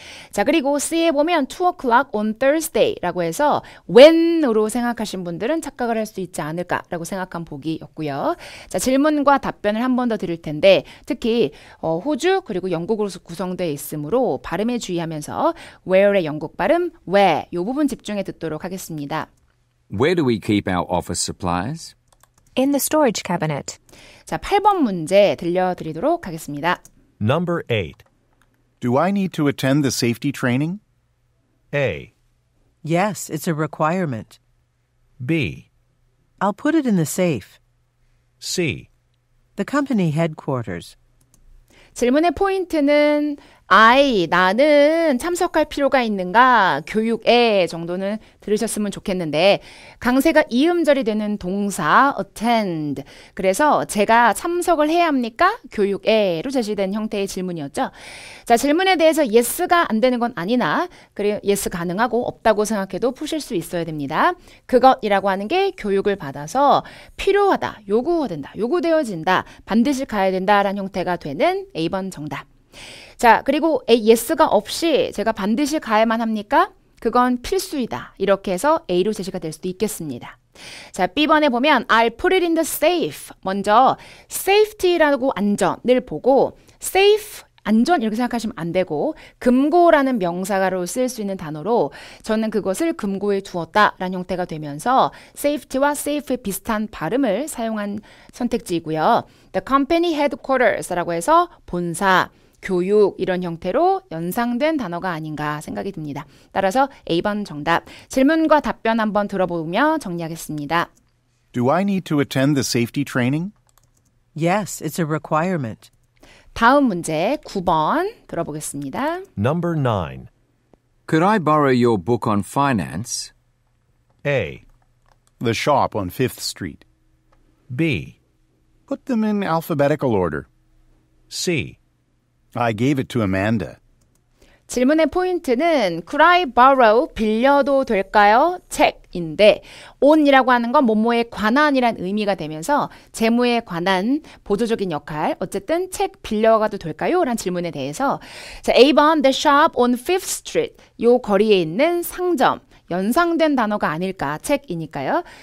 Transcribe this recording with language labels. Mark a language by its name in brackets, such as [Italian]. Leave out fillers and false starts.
[Korean] 자, 그리고 C에 보면 [English] 2 o'clock on Thursday [Korean] 라고 해서 when으로 생각하신 분들은 착각을 할 수 있지 않을까라고 생각한 보기였고요. 자, 질문과 답변을 한 번 더 드릴 텐데 특히 호주 그리고 영국으로 구성되어 있으므로 발음에 주의하면서 where의 영국 발음 where 요 부분 집중해 듣도록 하겠습니다. [English] Where do we keep our office supplies? In the storage cabinet. [Korean] 자, 8번 문제 들려드리도록 하겠습니다. [English] Number 8. Do I need to attend the safety training? A. Yes, it's a requirement. B. I'll put it in the safe. C. The company headquarters. [Korean] 질문의 포인트는 I, 나는 참석할 필요가 있는가? 교육에 정도는 들으셨으면 좋겠는데 강세가 이음절이 되는 동사 attend. 그래서 제가 참석을 해야 합니까? 교육에로 제시된 형태의 질문이었죠. 자, 질문에 대해서 yes가 안 되는 건 아니나 그래 yes 가능하고 없다고 생각해도 푸실 수 있어야 됩니다. 그것이라고 하는 게 교육을 받아서 필요하다, 요구된다, 요구되어진다, 반드시 가야 된다라는 형태가 되는 A번 정답. 자, 그리고 A, yes가 없이 제가 반드시 가야만 합니까? 그건 필수이다. 이렇게 해서 A로 제시가 될 수도 있겠습니다. 자, B번에 보면 [English] I'll put it in the safe. [Korean] 먼저 safety라고 안전을 보고 safe, 안전 이렇게 생각하시면 안 되고 금고라는 명사가로 쓸 수 있는 단어로 저는 그것을 금고에 두었다라는 형태가 되면서 safety와 safe의 비슷한 발음을 사용한 선택지이고요. [English] The company headquarters [Korean] 라고 해서 본사, 교육 이런 형태로 연상된 단어가 아닌가 생각이 듭니다. 따라서 A번 정답. 질문과 답변 한번 들어보며 정리하겠습니다. [English] Do I need to attend the safety training? Yes, it's a requirement. [Korean] 다음 문제 9번 들어보겠습니다. [English] Number 9. Could I borrow your book on finance? A. The shop on 5th Street. B. Put them in alphabetical order. C. I gave it to Amanda. [Korean] 질문의 포인트는 [English] Could I borrow, [Korean] 빌려도 될까요? 책인데 on이라고 하는 건 뭐뭐에 관한이란 의미가 되면서 재무에 관한 보조적인 역할 어쨌든 책 빌려가도 될까요? 라는 질문에 대해서 자, A번 [English] The shop on 5th Street [Korean] 요 거리에 있는 상점 연상된 단어가 아닐까 책이니까요.